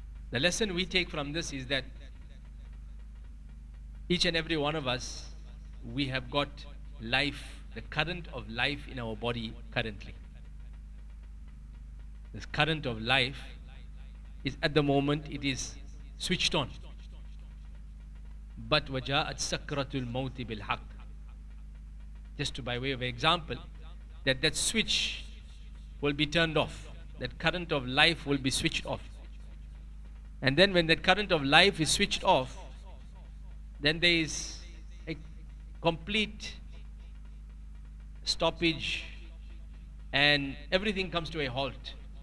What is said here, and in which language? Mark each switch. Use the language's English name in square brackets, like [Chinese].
[English] The lesson we take from this is that each and every one of us, we have got life, the current of life in our body currently. This current of life is at the moment, it is switched on. But [Arabic] وَجَاءَتْ سَكْرَةُ الْمَوْتِ بِالْحَقِّ. [English] Just by way of example, that switch will be turned off. That current of life will be switched off. And then when that current of life is switched off, then there is a complete stoppage and everything comes to a halt.